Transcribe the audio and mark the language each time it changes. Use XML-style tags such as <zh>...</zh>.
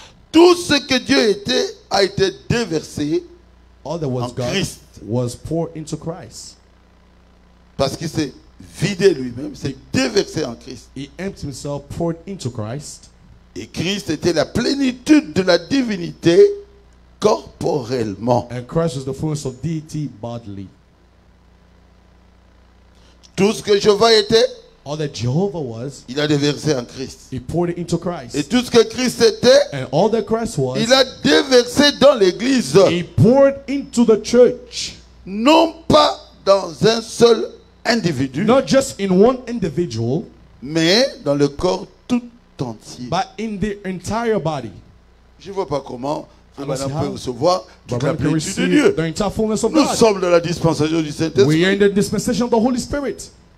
<fr>Tout ce que Dieu était a été déversé</fr> <en>all that was</en> <fr>en</fr> <en>God Christ. Was poured into Christ.</en> <fr>Parce qu'il s'est vidé lui-même, s'est déversé en Christ.</fr> <en>He emptied himself, poured into Christ.</en> <fr>Et Christ était la plénitude de la divinité corporellement.</fr> <en>And Christ was the fullness of deity bodily.</en> <fr>Tout ce que Jéhovah était,</fr> <en>all that Jehovah was,</en> <fr>il a déversé en Christ.</fr> <en>He poured it into Christ.</en> <fr>Et tout ce que Christ était,</fr> <en>and all that Christ was,</en> <fr>il a déversé dans l'église.</fr> <en>He poured into the church.</en> <fr>Non pas dans un seul individu,</fr> <en>not just in one individual,</en> <fr>mais dans le corps tout entier.</fr> <en>But in the entire body.</en> <fr>Je vois pas comment on peut recevoir toute la plénitude de Dieu.</fr> <en>The entire fullness of</en> <fr>nous</fr> <en>God.</en> <fr>Sommes dans la dispensation du Saint-Esprit.</fr> <en>We are in the dispensation of the Holy Spirit.</en>